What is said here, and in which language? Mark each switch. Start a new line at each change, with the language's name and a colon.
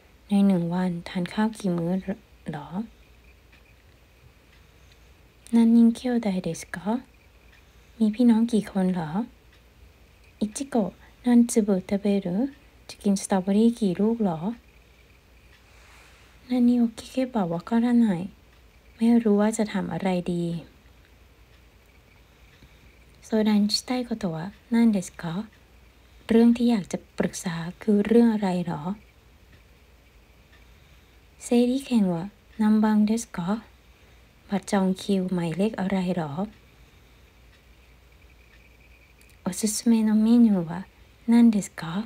Thai: ในหนึ่งวันทานข้าวกี่มื้อหรอ
Japanese: 何人兄弟ですか?
Thai: มีพี่น้องกี่คนหรอ
Japanese: 一個何粒食べる?
Thai: จะกินสตรอเบอรี่กี่ลูกหรอ
Japanese: 何を聞けばわからない?
Thai: ไม่รู้ว่าจะทำอะไรดี
Japanese: 相談したいことは何ですか？
Thai: เรื่องที่อยากจะปรึกษาคือเรื่องอะไรหรอ
Japanese: 整理券は何番ですか？
Thai: บัตรจองคิวหมายเลขอะไรหรอ
Japanese: おすすめのメニューは何ですか？